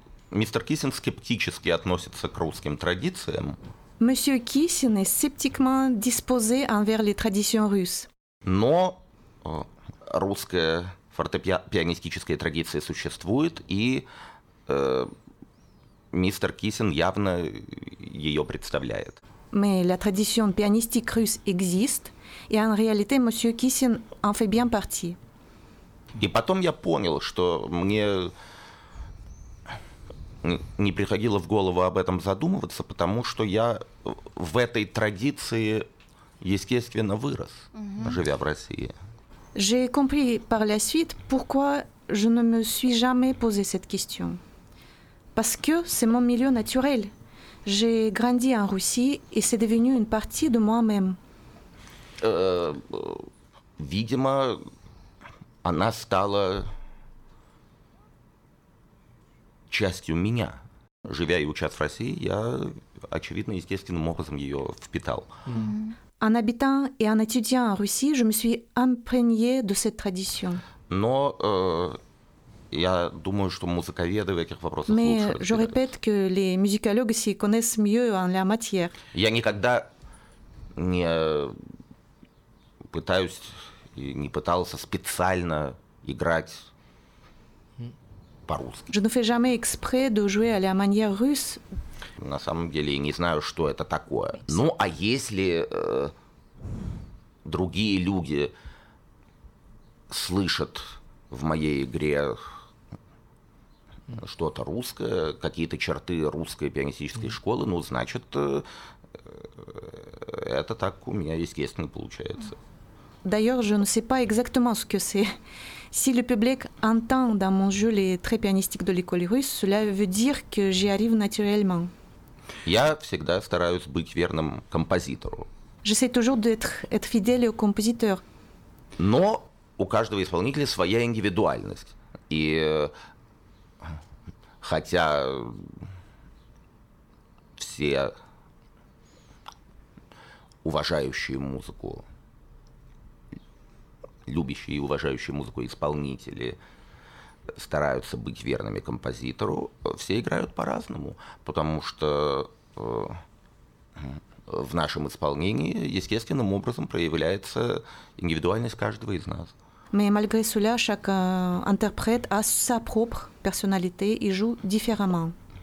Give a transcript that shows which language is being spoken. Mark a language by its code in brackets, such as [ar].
[ru] Мистер Киссин скептически относится к русским традициям. [fr] Monsieur Kissin est sceptiquement disposé envers les traditions russes. [ru] Но русская фортепианистическая традиция существует, и мистер Киссин явно ее представляет. [fr] Mais la tradition pianistique russe existe, et en réalité, monsieur Kissin en fait bien partie. [ru] И потом я понял, что мне не приходило в голову об этом задумываться, потому что я в этой традиции, естественно, вырос, живя в России. [fr] J'ai compris par la suite pourquoi je ne me suis jamais posé cette question. Parce que c'est mon milieu naturel. J'ai grandi en Russie et c'est devenu une partie de moi-même. [ru] Видимо, она стала частью меня. Живя и учась в России, я, очевидно, естественным образом ее впитал. [fr] En habitant et en étudiant en Russie, je me suis imprégné de cette tradition. [ru] Но я думаю, что музыковеды в этих вопросах [fr] Mais [ru] лучше разбираются. [fr] Je répète que les musicologues s'y connaissent mieux en la matière. [ru] Я никогда не пытаюсь и не пытался специально играть по-русски. [fr] Je ne fais jamais exprès de jouer à la manière russe. [ru] На самом деле, я не знаю, что это такое. Ну, а если другие люди слышат в моей игре что-то русское, какие-то черты русской пианистической школы, ну, значит, это так у меня естественно получается. [fr] D'ailleurs, je ne sais pas exactement ce que c'est. Si le public entend dans mon jeu les traits pianistiques de l'école russe, cela veut dire que j'y arrive naturellement. [ru] Я всегда стараюсь быть верным композитору. [fr] J'essaie toujours d'être fidèle au compositeur. [ru] Но у каждого исполнителя своя индивидуальность. И хотя все уважающие музыку, любящие и уважающие музыку исполнители стараются быть верными композитору, все играют по-разному, потому что в нашем исполнении естественным образом проявляется индивидуальность каждого из нас. [fr] Mais malgré cela, chaque interprète a sa propre personnalité et joue différemment.